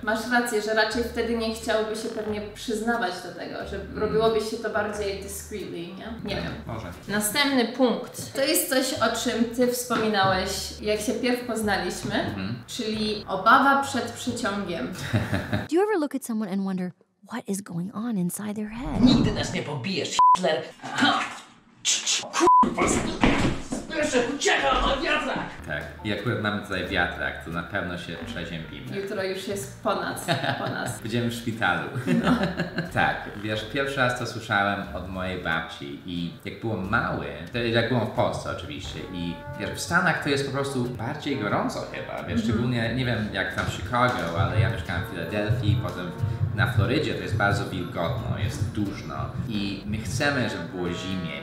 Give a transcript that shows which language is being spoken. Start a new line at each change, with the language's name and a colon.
Polish: Masz rację, że raczej wtedy nie chciałoby się pewnie przyznawać do tego, że robiłoby się to bardziej discreetly, nie? Nie wiem. Może. Następny punkt. To jest coś, o czym ty wspominałeś, jak się pierw poznaliśmy, czyli obawa przed przyciągiem.
English: Do you ever look at someone and wonder what is going on inside their head?
Polish: Nigdy nas nie pobijesz, Hitler! Kurwa, spieszę, ucieka, o wiatrak! Tak, jak mamy tutaj wiatrak, to na pewno się przeziębimy. Jutro już jest po nas. Będziemy w szpitalu. Tak, wiesz, pierwszy raz to słyszałem od mojej babci i jak byłem mały, to jak byłem w Polsce oczywiście, i wiesz, w Stanach to jest po prostu bardziej gorąco chyba, wiesz, szczególnie, nie wiem jak tam w Chicago, ale ja mieszkałem w Filadelfii, potem na Florydzie to jest bardzo wilgotno, jest duszno i my chcemy, żeby było zimniej.